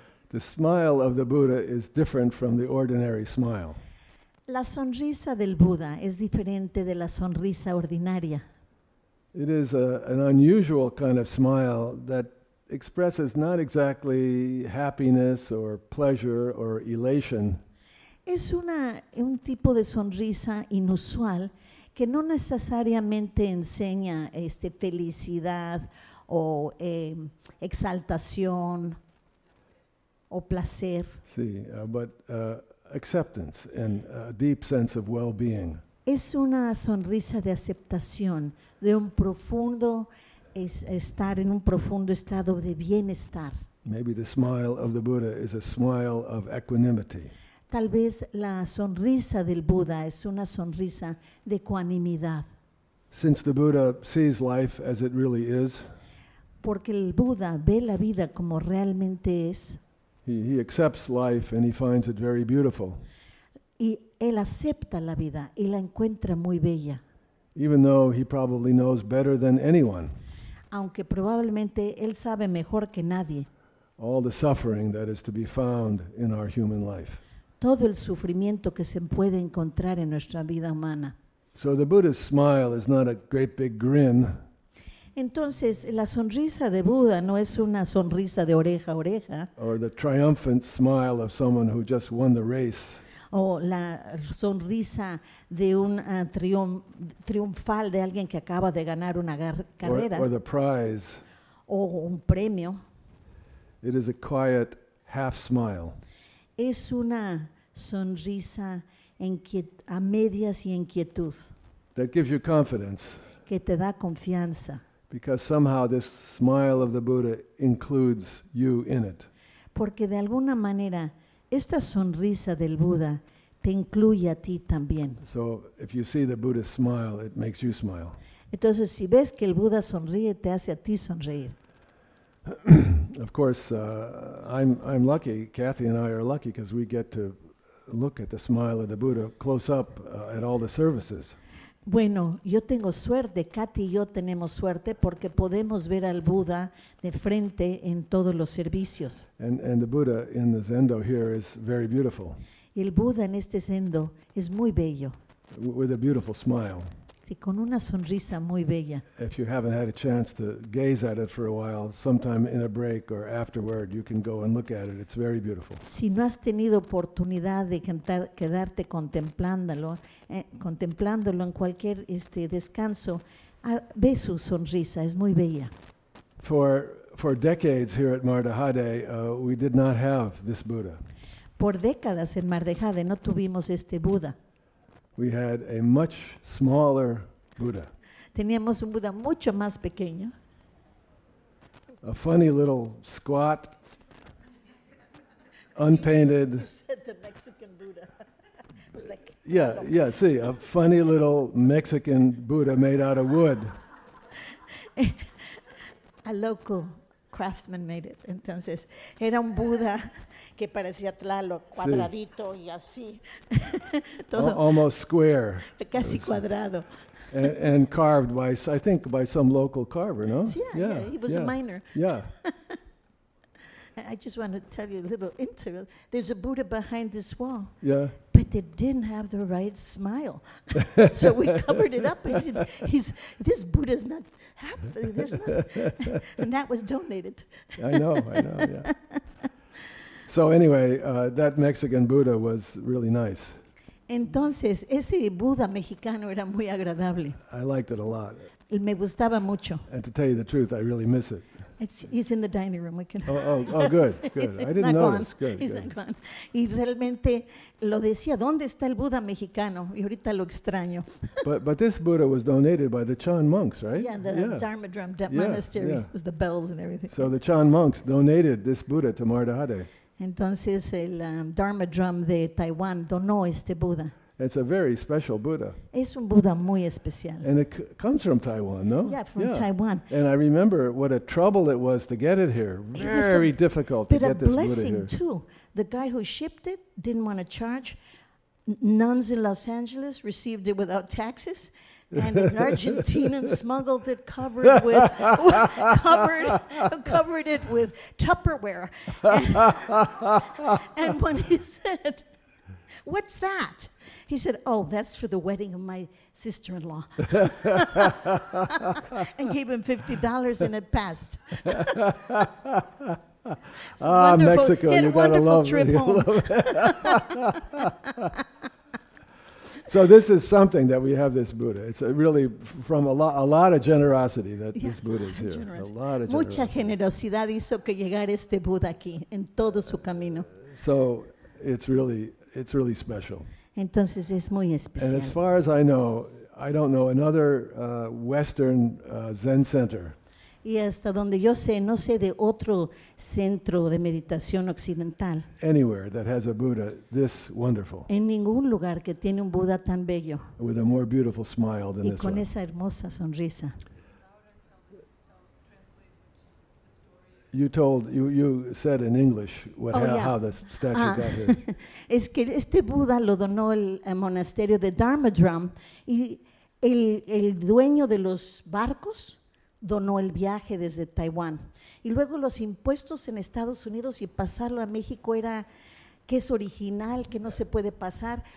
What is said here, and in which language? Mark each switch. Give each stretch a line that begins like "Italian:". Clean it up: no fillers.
English: The smile of the Buddha is different from the ordinary smile.
Spanish: La sonrisa del Buda es diferente de la sonrisa ordinaria.
English: It is an unusual kind of smile that expresses not exactly happiness or pleasure or elation.
Spanish: Es un tipo de sonrisa inusual que no necesariamente enseña felicidad o exaltación o placer. Sí,
English: acceptance and a deep sense of well-being.
Spanish: Es una sonrisa de aceptación, de un profundo estar en un profundo estado de bienestar.
English: Maybe the smile of the Buddha is a smile of equanimity.
Spanish: Tal vez la sonrisa del Buda es una sonrisa de ecuanimidad.
English: Since the Buddha sees life as it really is,
Spanish: porque el Buda ve la vida como realmente es,
English: he accepts life and he finds it very beautiful.
Spanish: Y él acepta la vida y la encuentra muy bella.
English: Even though he probably knows better than anyone.
Spanish: Aunque probablemente él sabe mejor que nadie.
English: All the suffering that is to be found in our human life.
Spanish: Todo el sufrimiento que se puede encontrar en nuestra vida humana.
English: So the Buddha's smile is not a great big grin.
Spanish: Entonces, la sonrisa de Buda no es una sonrisa de oreja a oreja.
English: Or the triumphant smile of someone who just won the race.
Spanish: O la sonrisa de un triunfal de alguien que acaba de ganar una carrera.
English: Or the prize.
Spanish: O un premio.
English: It is a quiet half smile.
Spanish: Es una sonrisa a medias y en quietud.
English: That gives you confidence.
Spanish: Que te da confianza.
English: Because somehow this smile of the Buddha includes you in it.
Spanish: Porque de alguna manera esta sonrisa del Buda te incluye a ti también.
English: So if you see the Buddha smile, it makes you smile.
Spanish: Entonces si ves que el Buda sonríe, te hace a ti sonreír.
English: Of course, I'm lucky. Kathy and I are lucky because we get to look at the smile of the Buddha close up at all the services.
Spanish: Bueno, yo tengo suerte, Kathy y yo tenemos suerte porque podemos ver al Buda de frente en todos los servicios.
English: And the Buddha in the Zendo here is very beautiful.
Spanish: Y el Buda en este Zendo es muy bello.
English: With a beautiful smile.
Spanish: Y con una sonrisa muy bella.
English: If you haven't had a chance to gaze at it for a while, sometime in a break or afterward, you can go and look at it. It's very beautiful.
Spanish: Si no has tenido oportunidad de quedarte contemplándolo, contemplándolo en cualquier descanso, ve su sonrisa. Es muy bella.
English: For decades here at Mardahade, we did not have this Buddha.
Spanish: Por décadas en Mardahade no tuvimos este Buda.
English: We had a much smaller Buddha.
Spanish: Teníamos un Buda mucho más pequeño.
English: A funny little squat, unpainted. You said the Mexican Buddha. Like, yeah, yeah, see, a funny little Mexican Buddha made out of wood. A local craftsman made it.
Spanish: Entonces, era un Buda que parecía Tlaloc, cuadradito sí. Y así. Todo
English: almost square.
Spanish: Casi cuadrado.
English: And carved by, I think, by some local carver, no? Yeah, he was a miner. Yeah. I just want to tell you a little interview. There's a Buddha behind this wall. Yeah. But but they didn't have the right smile. So we covered it up. I said, this Buddha's not happy. There's nothing. And that was donated. I know, yeah. So anyway, that Mexican Buddha was really nice.
Spanish: Entonces, ese Buda mexicano era muy agradable.
English: I liked it a lot.
Spanish: Me gustaba mucho.
English: And to tell you the truth, I really miss it. He's in the dining room. We can. Oh, good. It's I didn't not notice. Gone. Good. He's good. Not gone.
Spanish: Y realmente lo decía, ¿dónde está el Buda mexicano? Y ahorita lo extraño.
English: But this Buddha was donated by the Chan monks, right? Yeah. Dharmadrum monastery. Yeah. The bells and everything. So the Chan monks donated this Buddha to Mardahade.
Spanish: Entonces el Dharma Drum de Taiwán donó este Buda.
English: It's a very special Buddha.
Spanish: Es un Buda muy especial.
English: And it comes from Taiwan, no? Yeah, Taiwan. And I remember what a trouble it was to get it here. Very difficult to get this Buddha here. But a blessing too. The guy who shipped it didn't want to charge. Nuns in Los Angeles received it without taxes. And an Argentinian smuggled it covered it with Tupperware. And when he said, "What's that?" He said, "Oh, that's for the wedding of my sister-in-law." And gave him $50 and it passed. Ah, Mexico, you gotta love it. So this is something that we have this Buddha. It's really from a lot of generosity that this Buddha is here. Generosity. A lot of generosity.
Spanish: Mucha generosidad hizo que llegara este Buda aquí en todo su camino.
English: So it's really special.
Spanish: Entonces es muy especial.
English: And as far as I know, I don't know another Western Zen center.
Spanish: Y hasta donde yo sé, no sé de otro centro de meditación occidental.
English: Anywhere that has a Buddha this wonderful.
Spanish: En ningún lugar que tiene un Buda tan bello.
English: With a more beautiful smile than
Spanish: y
English: this
Spanish: con
English: one.
Spanish: Esa hermosa sonrisa.
English: You said in English how the statue got here.
Spanish: Es que este Buda lo donó el monasterio de Dharmadrum y el dueño de los barcos donó el viaje desde Taiwán. Y luego los impuestos en Estados Unidos y pasarlo a México era que es original, que no se puede pasar.